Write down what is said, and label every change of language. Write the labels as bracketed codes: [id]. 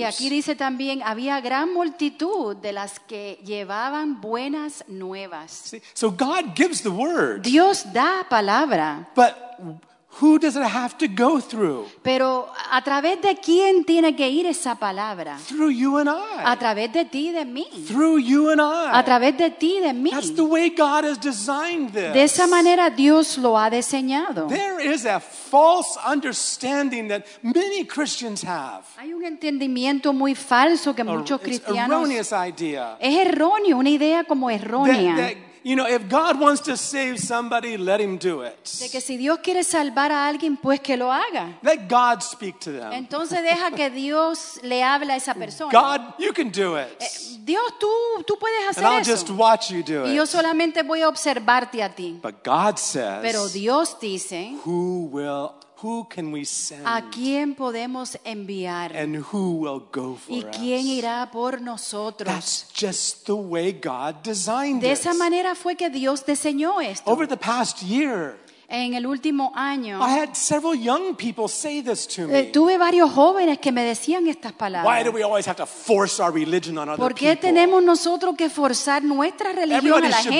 [es] Y aquí dice también, había gran multitud de las que llevaban buenas nuevas. [en] See, so God gives the word. [es] Dios da palabra. [en] But who does it have to go through? [es] Pero a través de quién tiene que ir esa palabra? [en] Through you and I. [es] A través de ti y de mí. [en] Through you and I. [es] A través de ti y de mí. [en] That's the way God has designed this. [es] De esa manera Dios lo ha diseñado. [en] There is a false understanding that many Christians have. [es] Hay un entendimiento muy falso que muchos cristianos. [en] It's an erroneous idea. [es] Es erróneo, una idea como errónea. [en] You know, if God wants to save somebody, let him do it. [es] De que si Dios quiere salvar a alguien, pues que lo haga. [en] Let God speak to them. [es] Entonces deja que Dios le hable a esa persona. [en] God, you can do it. [es] Dios, tú puedes hacer eso. [en] And I'll just watch you do it. [es] Y yo solamente voy a observarte a ti. [en] But God says, [es] pero Dios dice, [en] who can we send? [es] ¿A quién podemos enviar? [en] And who will go for us? [es] ¿Y quién irá por nosotros? [en] That's just the way God designed it. [es] De esa manera fue que Dios diseñó esto. [en] Over the past year, [es] en el último año, [en] I had several young people say this to me. [es] Tuve varios jóvenes que me decían estas palabras. [en] Why do we always have to force our religion on other people? [es] ¿Por qué tenemos nosotros que forzar nuestra religión a la gente?